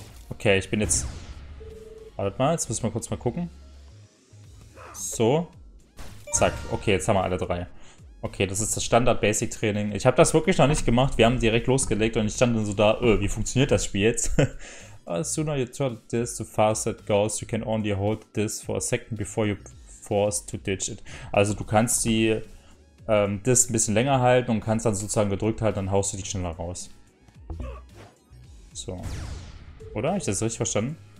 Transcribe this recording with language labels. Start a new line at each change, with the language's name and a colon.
German: Okay, ich bin jetzt. Wartet mal, jetzt müssen wir kurz mal gucken. So. Zack. Okay, jetzt haben wir alle drei. Okay, das ist das Standard-Basic-Training. Ich habe das wirklich noch nicht gemacht. Wir haben direkt losgelegt und ich stand dann so da. Wie funktioniert das Spiel jetzt?
English: As soon as you throw this, the faster it goes, you can only hold this for a second before you force to ditch it.
German: Also du kannst die das ein bisschen länger halten und kannst dann sozusagen gedrückt halten, dann haust du die schneller raus. So. Oder? Habe ich das richtig verstanden?